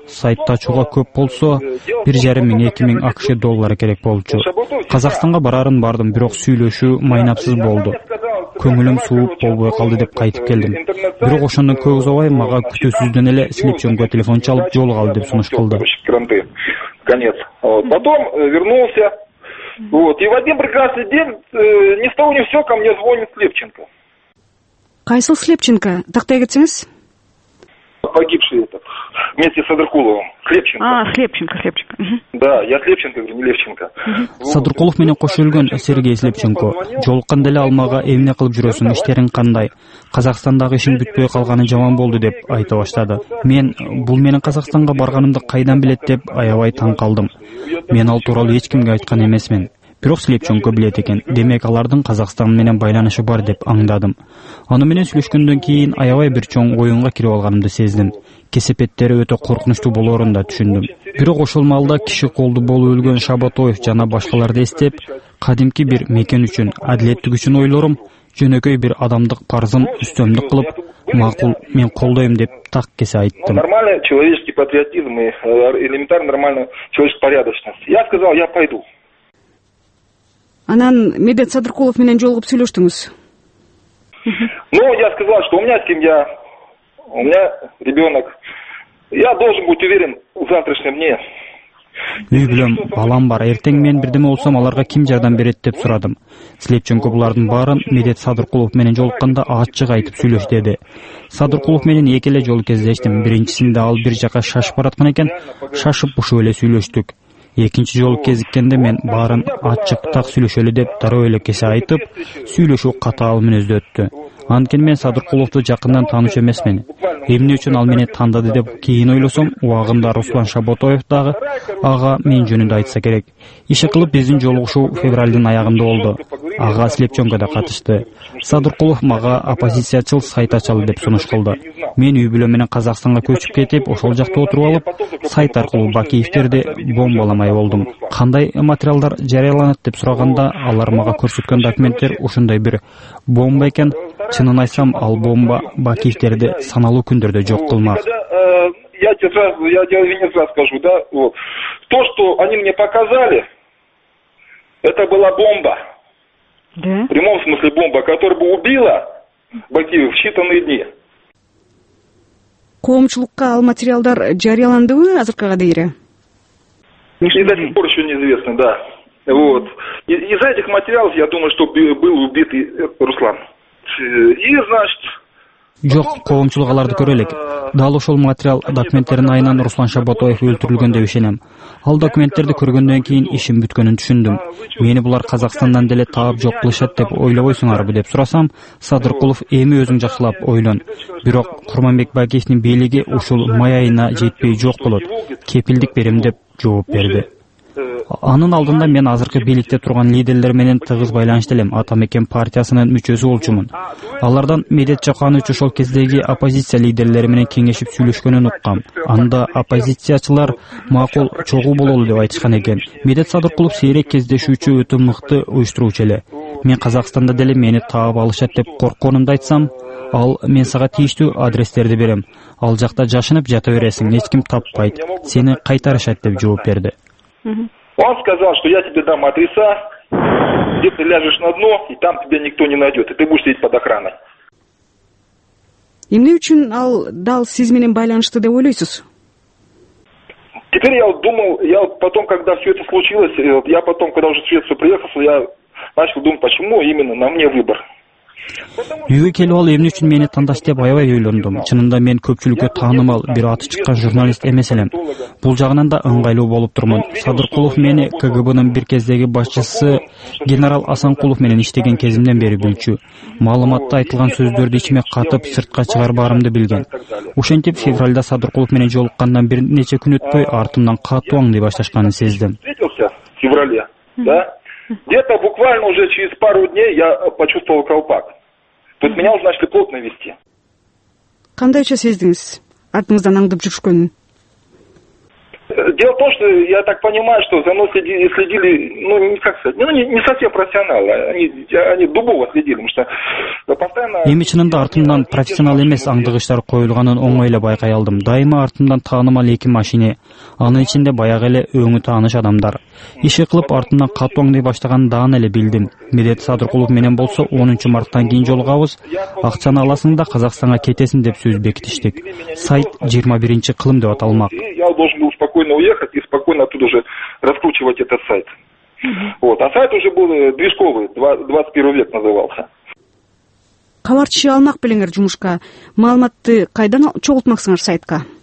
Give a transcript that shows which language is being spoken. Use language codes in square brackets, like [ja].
[ky] Сайтты ачууга көп болсо, 1,5-2,000 АКШ доллары керек болчу. Казакстанга барарын бардым, бирок сүйлөшүү майнапсыз болду. Көңүлүм сууп болбой калды деп кайтып келдим. Бирок ошондон көп узабай мага күтөөсүздөн эле силипченко телефон чалып жолу кал деп сунуш кылды. [ru] Конец. Потом вернулся. И в один прекрасный день ни с того ни с сего ко мне звонит Слепченко. [ky] Кайсыл Слепченко? Тактай кетсеңиз? [ru] Погибший этот. Вместе с Садыркуловым. Слепченко. А, Слепченко, Слепченко. Да, я Слепченко, говорю, не Левченко. [ky] Садыркулов менен кошо өлгөн Сергей Слепченко. Жолукканда эле ал мага эмне кылып жүрөсүң, иштериң кандай? Казакстандагы ишим бүтпөй калганы жаман болду деп айта баштады. Мен бул менин Казакстанга барганымды кайдан билет деп аябай таң калдым. Мен ал тууралуу эч кимге айткан эмесмин. Бирок Слепченко билет экен. Демек алардын Казакстан менен байланышы бар деп аңдадым. Аны менен сүйлөшкөндөн кийин аябай бир чоң оюнга кирип алганымды сездим. Кесепеттери өтө коркунучтуу болоорун да түшүндүм. Бирок ошол маалда киши колду болуп өлгөн Шабатоев жана башкаларды эстеп, кадимки бир мекен үчүн, адилеттик үчүн ойлорум, жөнөкөй бир адамдык парызым үстөмдүк кылып, макул, мен колдойм деп так кесе айттым. [ru] Нормальный человеческий патриотизм и элементарно нормальный человеческий порядочность. Я сказал, я пойду. [ky] Анан Медет Садыркулов менен жолугуп сүйлөштүңүз. [ru] Ну, я сказал, что у меня семья, у меня ребенок. Я должен быть уверен в завтрашнем дне. [ky] Үй бүлөм, балам бар. Эртең мен бирдеме болсом, аларга ким жардам берет деп сурадым. Слепченко булардын баарын Медет Садыркулов менен жолукканда ачык айтып сүйлөш деди. Садыркулов менен эки эле жолу кездештим. Биринчисинде ал бир жака шашып бараткан экен, шашып ушу эле сүйлөштүк. Экинчи жолу кезиккенде мен баарын ачык так сүйлөшөлү деп дароо эле кесе айтып, сүйлөшүү катаал мүнөздө өттү. Анткени мен Садыркуловду жакындан тааныш эмесмин. Эмне үчүн ал мени тандады деп кийин ойлосом, убагында Руслан Шабатоев дагы ага мен жөнүндө айтса керек. Иши кылып биздин жолугушуу февралдын аягында болду. Ага Слепченко да катышты. Садыркулов мага оппозициячыл сайт ачалы деп сунуш кылды. Мен үй бүлөм менен Казакстанга көчүп кетип, ошол жакта отуруп алып, сайт аркылуу Бакиевтерди бомбаламай болдум. Кандай материалдар жарыяланат деп сураганда, алар мага көрсөткөн документтер ушундай бир бомба экен. Чынын айтсам, ал бомба Бакиевтерди саналуу күндөрдө жок кылмак. [ru] Я тебе сразу скажу, да, вот. То, что они мне показали, это была бомба. Да? В прямом смысле бомба, которая бы убила Бакиева в считанные дни. [ky] коомчулукка ал материалдар жарыяландыбы азыркыга дейин? [ru] И до сих пор еще неизвестно, да. Вот. Из этих материалов, я думаю, что был убит Руслан. И, значит... [ky] Жок, коомчулук аларды көрөлөк. Дал ошол материал документтерин айынан Руслан Шабатоев өлтүрүлгөн деп ишенем. Ал документтерди көргөндөн кийин ишим бүткөнүн түшүндүм. Мени булар Казакстандан деле таап жок кылышат деп ойлобойсуңарбы деп сурасам, Садыркулов эми өзүң жакшылап ойлон. Бирок Курманбек Байкештин бийлиги ушул май айына жетпей жок болот. Кепилдик берем деп жооп берди. Анын алдында мен азыркы бийликте турган лидерлер менен тыгыз байланышта элем. Ата мекен партиясынын мүчөсү болчумун. Алардан Медет Чаканович ошол кездеги оппозиция лидерлери менен кеңешип сүйлөшкөнүн уккам. Анда оппозициячылар макул чогуу бололу деп айтышкан экен. Медет Садыркулов сейрек кездешүүчү өтө мыкты уюштуруучу эле. Мен Казакстанда деле мени таап алышат деп коркконумду айтсам, ал мен сага тийиштүү адрестерди берем. Ал жакта жашынып жата бересиң, эч ким таппайт. Сени кайтарышат деп жооп берди. [ru] Он сказал, что я тебе дам адреса, где ты ляжешь на дно, и там тебя никто не найдет, и ты будешь сидеть под охраной. [ky] Эмне үчүн ал дал сиз менен байланышты деп ойлойсуз? [ru] Теперь я вот думал, я вот потом, когда все это случилось, я потом, когда уже в Швецию приехал, я начал думать, почему именно на мне выбор. [ky] Үйгө келип алып эмне үчүн мени тандаш деп аябай ойлондум. Чынында мен көпчүлүккө таанымал бир аты чыккан журналист эмес элем. Бул жагынан да ыңгайлуу болуп турмун. Садыркулов мени КГБнын бир кездеги башчысы генерал Асанкулов менен иштеген кезимден бери билчү. Маалыматта айтылган сөздөрдү ичиме катып сыртка чыгарбарымды билген. Ошентип февралда Садыркулов менен жолуккандан бир нече күн өтпөй артымдан катуу аңдый башташканын сездим. [ru] Где-то буквально уже через пару дней я почувствовал колпак. То есть меня уже начали плотно вести. [ky] Кандай эче сездиңиз? Артыңыздан аңдып жүрүшкөнүн? [ru] Дело в том, что я так понимаю, что за мной следили, ну, не как сказать, ну, не совсем профессионалы. Они дубово следили, потому что постоянно... [ky] Эми чынында артымдан профессионал эмес аңдыгычтар коюлганын оңой эле байкай алдым. Дайыма артымдан таанымал эки машине, анын ичинде баягы эле өңү тааныш адамдар. Иши кылып артымдан катуу аңдый баштаганын даан эле билдим. Медет Садыркулов менен болсо 10 марттан кийин жолугабыз. Акчаны аласың да Казакстанга кетесиң деп сөз бекитиштик. Сайт 21-чи кылым деп аталмак. [ru] Спокойно уехать и спокойно оттуда уже раскручивать этот сайт. Вот. А сайт уже был движковый, 21 век назывался. [ky] Кабарчы алмак белеңер жумушка. Маалыматты кайдан чогултмаксыңар сайтка?